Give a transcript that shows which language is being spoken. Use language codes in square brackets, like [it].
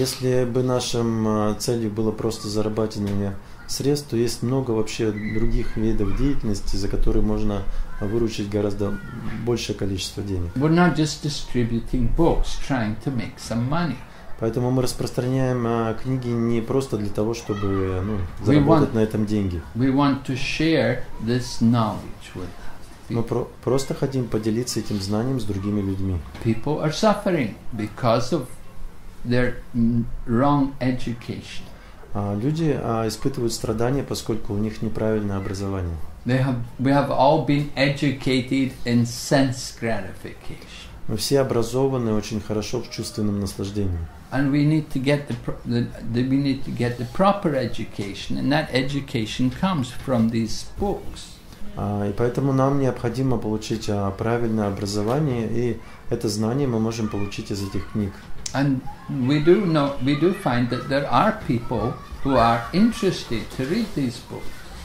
[ru] Если бы нашим целью было просто зарабатывание средств, то есть много вообще других видов деятельности, за которые можно выручить гораздо большее количество денег. [en] We're not just distributing books, trying to make some money. [ru] Поэтому мы распространяем книги не просто для того, чтобы заработать на этом деньги. [en] We want to share this knowledge with people. [ru] Мы просто хотим поделиться этим знанием с другими людьми. [en] People are suffering because of their wrong education. [ru] Люди испытывают страдания, поскольку у них неправильное образование. [en] We have all been educated in sense gratification. [ru] Мы все образованы очень хорошо в чувственном наслаждении. [en] And we need to get the proper education, and that education comes from these books. [ru] И поэтому нам необходимо получить правильное образование, и это знание мы можем получить из этих книг. [en] And we do find that there are people who are interested to read these books.